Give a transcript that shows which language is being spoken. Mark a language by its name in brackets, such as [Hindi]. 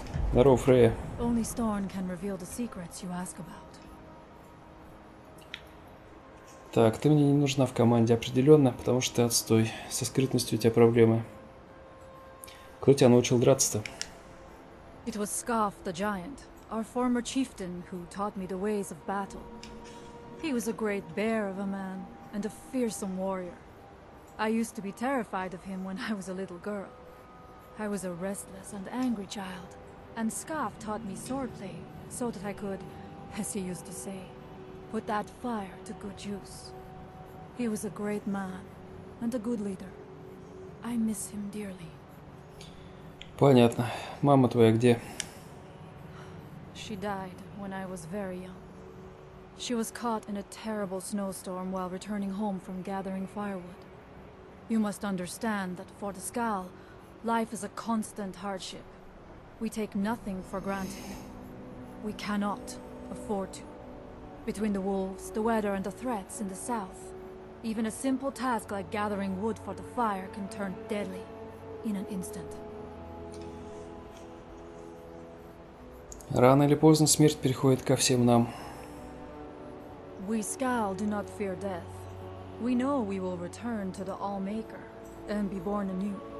[Russian] Здорово, Фрея. [English] Only Storn can reveal the secrets you ask about. [Russian] Так, ты мне не нужна в команде определенно, потому что ты отстой. Со скрытностью у тебя проблемы. Кто тебя научил драться-то? [English] It was Scarf the Giant, our former chieftain, who taught me the ways of battle. He was a great bear of a man and a fearsome warrior. I used to be terrified of him when I was a little girl. I was a restless and angry child, and Scarf taught me swordplay so that I could, as he used to say, put that fire to good use. He was a great man and a good leader. I miss him dearly. [Russian] Понятно. Мама твоя где? [English] She died when I was very young. She was caught in a terrible snowstorm while returning home from gathering firewood. You must understand that for the Skull, Life is a constant hardship. We take nothing for granted. We cannot afford to. Between the wolves, the weather, and the threats in the south, even a simple task like gathering wood for the fire can turn deadly in an instant. [Russian] Рано или поздно смерть приходит ко всем нам. [English] We Skal do not fear death. We know we will return to the All-Maker and be born anew.